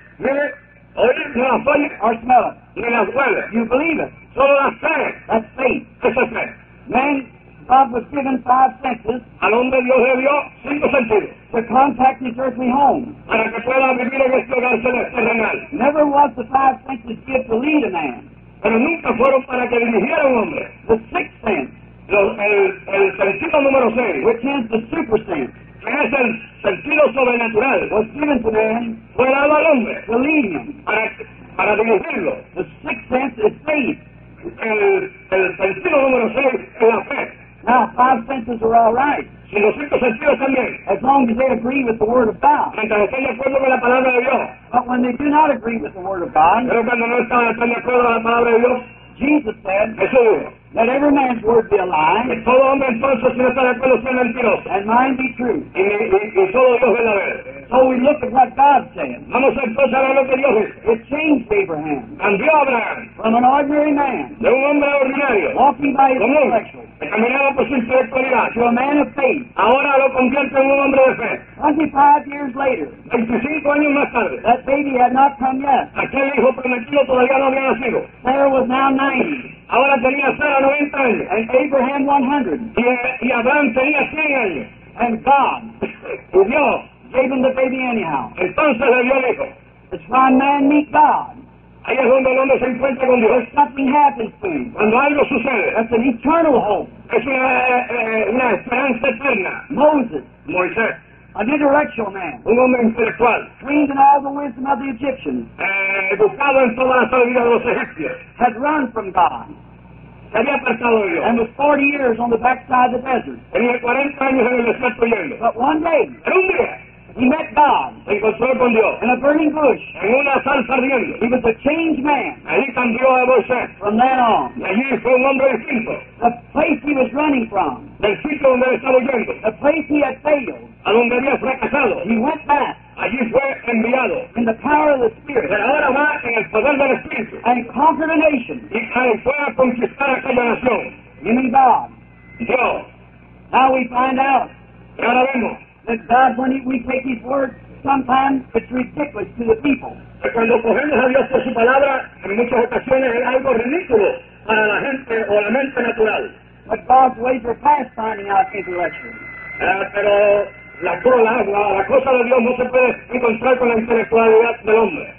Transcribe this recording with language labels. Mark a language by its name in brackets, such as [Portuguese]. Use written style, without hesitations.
[English] Hear it. [Spanish] Oír. No la oye. [English] Or smell it. [Spanish] Ni la huele. [English] You believe it. [Spanish] Solo la fe. [English] That's faith. [Spanish] Esa es fe. [English] Man, God was given five senses. [Spanish] Al hombre Dios le dio cinco sentidos. [English] To contact his earthly home. [Spanish] Para que pueda vivir en este hogar terrenal. [English] Never was the five senses given to lead a man. [Spanish] Pero nunca fueron para que dirigiera a un hombre. [English] The sixth sense. [Spanish] El sentido número seis. [English] Which is the super sense. [Spanish] Que es el sentido sobrenatural. [English] Was given to man. [Spanish] Fue dado al hombre. [English] To lead him. [Spanish] Para dirigirlo. [English] The sixth sense is faith. [Spanish] El sentido número seis es la fe. [English] Now, five senses are all right. [Spanish] Sin los cinco sentidos también. [English] As long as they agree with the word of God. [Spanish] Mientras estén de acuerdo con la palabra de Dios. [English] But when they do not agree with the word of God. [Spanish] Pero cuando no están de acuerdo con la palabra de Dios. [English] Jesus said, [Spanish] Jesús, [English] let every man's word be a lie, [Spanish] y todo hombre entonces, si no está de acuerdo, sea mentiroso, [English] and mine be true. [Spanish] Y solo Dios verdadero. [English] So we look at what God said. [Spanish] Vamos entonces a ver lo que Dios dice. [English] It changed Abraham. [Spanish] Cambió Abraham. [English] From an ordinary man. [Spanish] De un hombre ordinario. [English] Walking by his intellectual. [Spanish] Caminaba por su intelectualidad. [English] To a man of faith. [Spanish] Ahora lo convierte en un hombre de fe. [English] 25 years later. [Spanish] 25 años más tarde. [English] That baby had not come yet. [Spanish] Aquel hijo prometido todavía no había nacido. [English] There was now 90. [Spanish] Ahora tenía Sara 90 años. [English] And Abraham 100. [Spanish] Y Abraham tenía 100 años. [English] And God. [Spanish] Y Dios. [English] Gave him the baby anyhow. [Spanish] Entonces le dio el hijo. [English] It's when man meet God. [Spanish] Ahí es donde el hombre se encuentra con Dios. [English] When something happens to him. [Spanish] Cuando algo sucede. [English] That's an eternal hope. [Spanish] Es una esperanza eterna. [English] Moses. [Spanish] Moisés. [English] An intellectual man. [Spanish] Un hombre intelectual. [English] Trained in all the wisdom of the Egyptians. [Spanish] Educado en toda la sabiduría de los egipcios. [English] Had run from God. [Spanish] Se había apartado de Dios. [English] And was 40 years on the backside of the desert. [Spanish] Tenía 40 años en el desierto yendo. [English] But one day. [Spanish] En un día. [English] He met God. [Spanish] Se encontró con Dios. [English] In a burning bush. [Spanish] En una zarza ardiendo. [English] He was a changed man. [Spanish] Allí cambió a Moisés. [English] From then on. [Spanish] Allí fue un hombre distinto. [English] The place he was running from. [Spanish] Del sitio donde estaba huyendo. [English] The place he had failed. [Spanish] A donde había fracasado. [English] He went back. [Spanish] Allí fue enviado. [English] In the power of the Spirit. [Spanish] Pero ahora va en el poder del Espíritu. [English] And conquered a nation. [Spanish] Y fue a conquistar aquella nación. [English] You mean God. [Spanish] Dios. [English] Now we find out. [Spanish] Y ahora vemos. [English] That God, when we take His word, sometimes it's ridiculous to the people. [Spanish] Cuando cogemos a Dios por su palabra, en muchas ocasiones es algo ridículo para la gente o la mente natural. [English] But God's ways are past finding out intellectually. [Spanish] Pero la cosa de Dios no se puede encontrar con la intelectualidad del hombre.